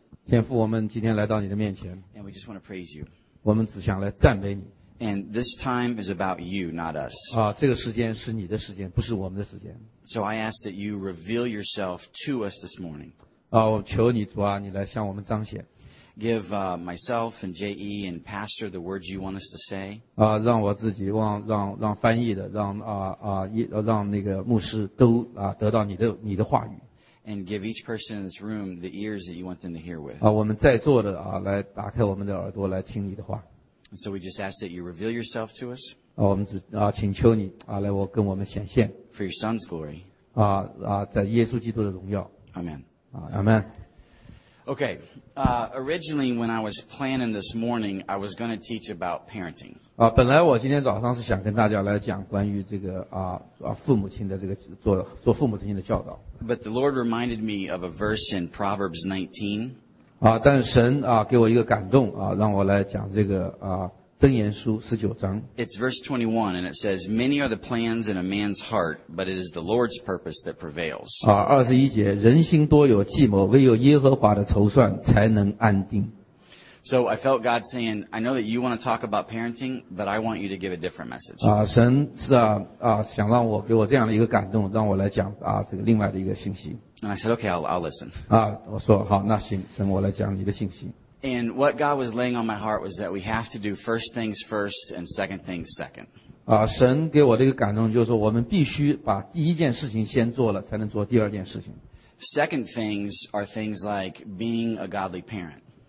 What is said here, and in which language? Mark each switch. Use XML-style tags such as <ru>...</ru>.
<zh>天父，我们今天来到你的面前。</zh> <en>And we just want to praise you.</en> <zh>我们只想来赞美你。</zh> <en>And this time is about you, not us.</en> <zh>这个时间是你的时间，不是我们的时间。</zh> <en>So I ask that you reveal yourself to us this morning.</en> <zh>我求你主啊，你来向我们彰显。</zh> <en>Give myself and JE and Pastor the words you want us to say.</en> <zh>让我自己，让翻译的，让那个牧师都得到你的话语。</zh> <en>And give each person in this room the ears that you want them to hear with.</en> <zh>我们在座的来打开我们的耳朵来听你的话。</zh> <en>So we just ask that you reveal yourself to us.</en> <zh>我们只请求你来我跟我们显现。</zh> <en>For your Son's glory.</en> <zh>在耶稣基督的荣耀。</zh> <en>Amen. Amen. Okay, originally when I was planning this morning, I was going to teach about parenting.</en> <zh>本来我今天早上是想跟大家来讲关于这个父母亲的这个做父母亲的教导。</zh> <en>But the Lord reminded me of a verse in Proverbs 19.</en> <zh>但是神给我一个感动让我来讲这个箴言书19章。</zh> <en>It's verse 21 and it says, "Many are the plans in a man's heart, but it is the Lord's purpose that prevails."</en> <zh>21节，人心多有计谋，唯有耶和华的筹算才能安定。</zh> <en>So I felt God saying, "I know that you want to talk about parenting, but I want you to give a different message."</en> <zh>神是想让我给我这样的一个感动，让我来讲这个另外的一个信息。</zh> <en>And I said, "Okay, I'll listen."</en> <zh>我说好，那行，神，我来讲你的信息。</zh> <en>And what God was laying on my heart was that we have to do first things first and second things second.</en> <zh>神给我的一个感动就是说我们必须把第一件事情先做了才能做第二件事情。</zh> <en>Second things are things like being a godly parent.</en>